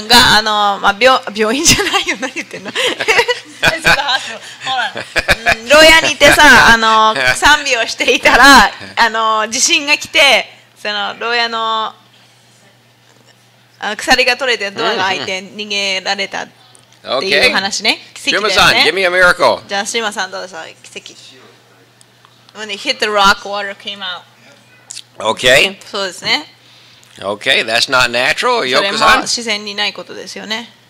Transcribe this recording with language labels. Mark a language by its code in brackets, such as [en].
[ja] うん、が、あの、まあ、病院じゃないよ、何言ってんの。牢屋にいてさ、あの、賛美をしていたら、あの、地震が来て、その、牢屋の、あの、鎖が取れてドアが開いて逃げられた。 [en] Okay. Shuma-san, give me a miracle. When they hit the rock, water came out. Okay. [ja] そうですね。 [en] Okay, that's not natural. Yoko-san? [ja] それも自然にないことですよね。